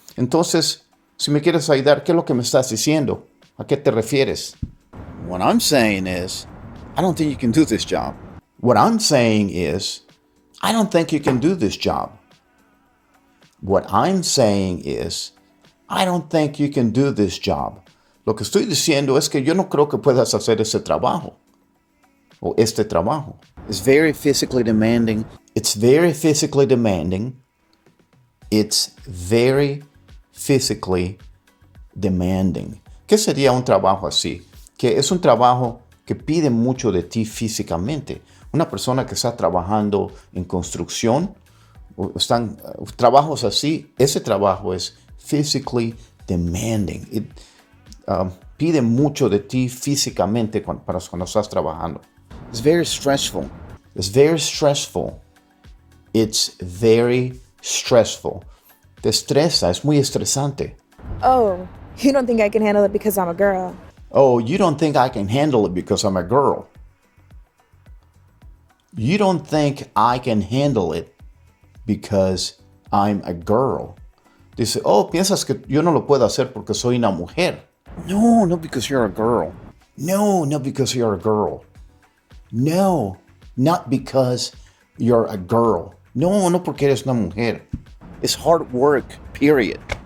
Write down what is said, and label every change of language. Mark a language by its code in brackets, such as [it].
[es] Entonces, si me quieres ayudar, ¿qué es lo que me estás diciendo? ¿A qué te refieres? [en] What I'm saying is, I don't think you can do this job. What I'm saying is, I don't think you can do this job. What I'm saying is, I don't think you can do this job. [es] Lo que estoy diciendo es que yo no creo que puedas hacer ese trabajo. O este trabajo. [en] It's very physically demanding. It's very physically demanding. It's very physically demanding. [es] ¿Qué sería un trabajo así? Que es un trabajo que pide mucho de ti físicamente. Una persona que está trabajando en construcción, o están trabajos así, ese trabajo es [en] physically demanding. [es] Pide mucho de ti físicamente cuando estás trabajando. [en] It's very stressful. It's very stressful. It's very stressful. [es] Te estresa, es muy estresante. [en] Oh, you don't think I can handle it because I'm a girl. Oh, you don't think I can handle it because I'm a girl. You don't think I can handle it because I'm a girl. [es] Dice, oh, piensas que yo no lo puedo hacer porque soy una mujer. [en] No, not because you're a girl. No, not because you're a girl. No, not because you're a girl. [es] No, no porque eres una mujer. [en] It's hard work, period.